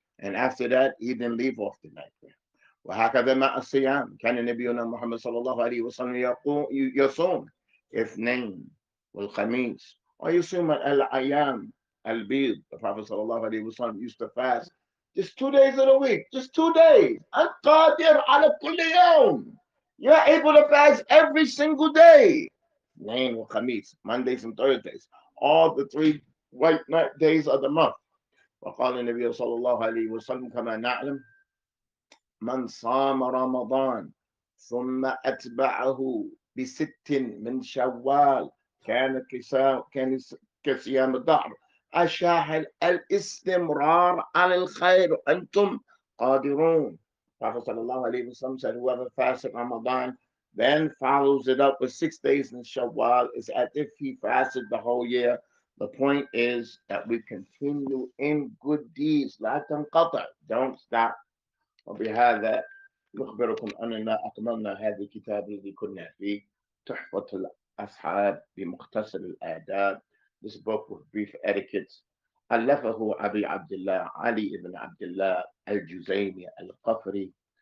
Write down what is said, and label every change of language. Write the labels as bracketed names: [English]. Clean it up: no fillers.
[English] And after that, he didn't leave off the night. [Arabic] وهكذا مع الصيام, كان نبينا محمد صلى الله عليه وسلم يصوم اثنين والخميس, or يصوم الأيام البيض. [English] The Prophet صلى الله عليه وسلم used to fast just 2 days in a week, just 2 days. [Arabic] القادر على كل يوم. [English] You're able to fast every single day. [Arabic] اثنين والخميس, [English] Mondays and Thursdays, all the three white night days of the month. [Arabic] وقال النبي صلى الله عليه وسلم كما نعلم: من صام رمضان ثم أتبعه بست من شوال كان كصيام الدهر أشاهد الاستمرار على الخير أنتم قادرون. [English] Prophet صلى الله عليه وسلم said, whoever fasted Ramadan then follows it up with 6 days in Shawwal is as if he fasted the whole year. The point is that we continue in good deeds. [Arabic] لا تنقطع. [English] Don't stop. [Arabic] وبهذا نخبركم أننا أكملنا هذه الكتاب الذي كنا فيه, تحفة الأصحاب بمختصر الآداب. [English] This book with brief etiquettes. [Arabic] ألفه أبي عبد الله علي بن عبد الله الجزيمي القفري.